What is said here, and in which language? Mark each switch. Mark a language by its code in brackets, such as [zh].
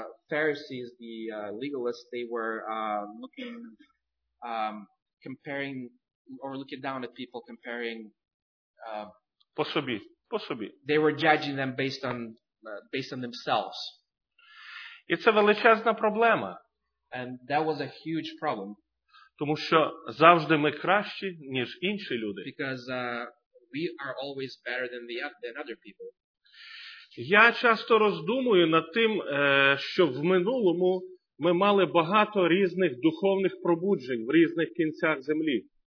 [en] Pharisees, the legalists, they were looking, comparing, or looking down at people, comparing [uk] по собі. [en] They were judging them based on themselves. [uk] І це величезна проблема. [en] And that was a huge problem. [uk] Тому що завжди ми кращі, ніж інші люди. [en] Because we are always better than other people. [uk] Я часто роздумую над тим, що в минулому ми мали багато різних духовних пробуджень в різних кінцях землі.